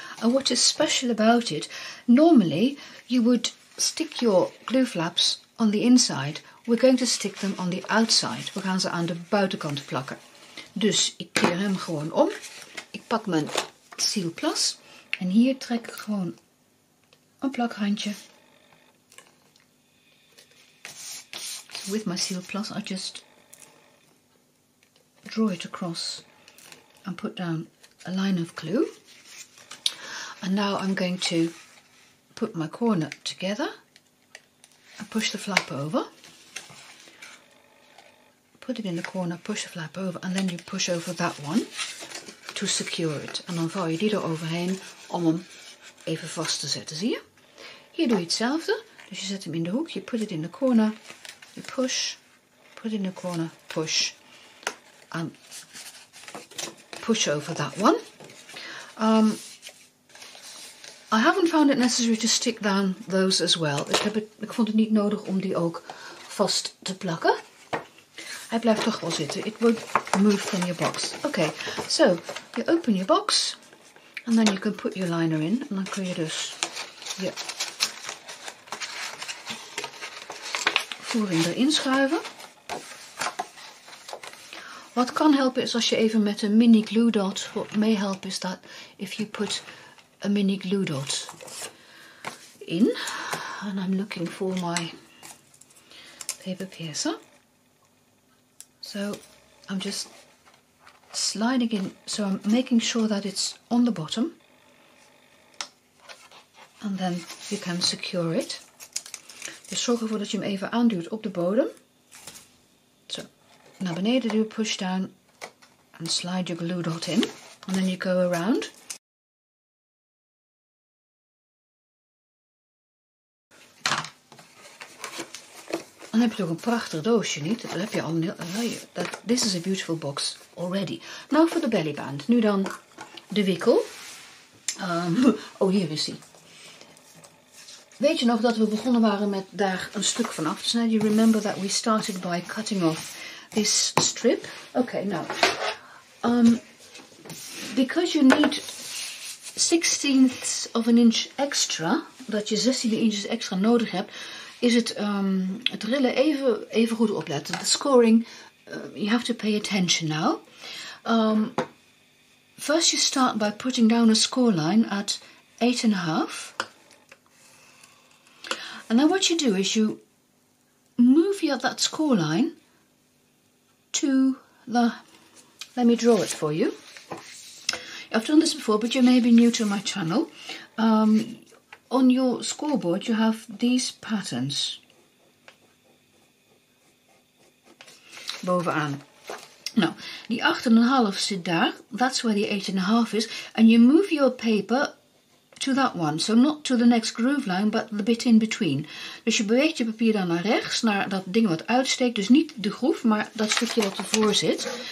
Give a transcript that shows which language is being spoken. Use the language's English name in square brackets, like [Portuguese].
[English] And what is special about it, normally you would stick your glue flaps on the inside. We're going to stick them on the outside. [Dutch] We gaan ze aan de buitenkant plakken. Dus ik keer hem gewoon om. Ik pak mijn sealplas. En hier trek ik gewoon een plakhandje. [English] With my seal plus, I just draw it across and put down a line of glue. And now I'm going to put my corner together and push the flap over. put it in the corner, push the flap over, and then you push over that one to secure it. [Dutch] En dan vouw je die er overheen om hem even vast te zetten, zie je? Hier doe je hetzelfde. Dus je zet hem in de hoek, je [English] put it in the corner, you push, put it in the corner, push. And push over that one. I haven't found it necessary to stick down those as well. [Dutch] Ik vond het niet nodig om die ook vast te plakken. Hij blijft toch wel zitten. [English] It would move from your box. Okay, so you open your box and then you can put your liner in. [Dutch] And dan kun je dus je voering erin schuiven. Wat kan helpen is als je even met een mini glue dot, wat [English] may help [Dutch] is dat [English] if you put a mini glue dot in. And I'm looking for my paper piercer. So I'm just sliding in, so I'm making sure that it's on the bottom. And then you can secure it. [Dutch] Dus zorg ervoor dat je hem even aanduwt op de bodem. Naar beneden doe, [English] push down and slide your glue dot in. And then you go around. [Dutch] En dan heb je toch een prachtig doosje, niet? Dat heb je al. [English] This is a beautiful box already. Now for the belly band. [Dutch] Nu dan de wikkel. [English] Oh, here is he. [Dutch] Weet je nog dat we begonnen waren met daar een stuk van af te snijden? [English] You remember that we started by cutting off this strip. Okay, now, because you need 16ths of an inch extra, [Dutch] dat je 16 inches extra nodig hebt, is het het rillen even goed opletten. [English] The scoring, you have to pay attention now. First you start by putting down a score line at 8.5. And then what you do is you move your that score line to the, let me draw it for you. I've done this before, but you may be new to my channel. On your scoreboard, you have these patterns [Dutch] bovenaan. [English] Now, the 8.5 sit there. That's where the 8.5 is. And you move your paper to that one. So not to the next groove line, but the bit in between. [Dutch] Dus je beweegt je papier dan naar rechts, naar dat ding wat uitsteekt. Dus niet de groef, maar dat stukje wat ervoor zit.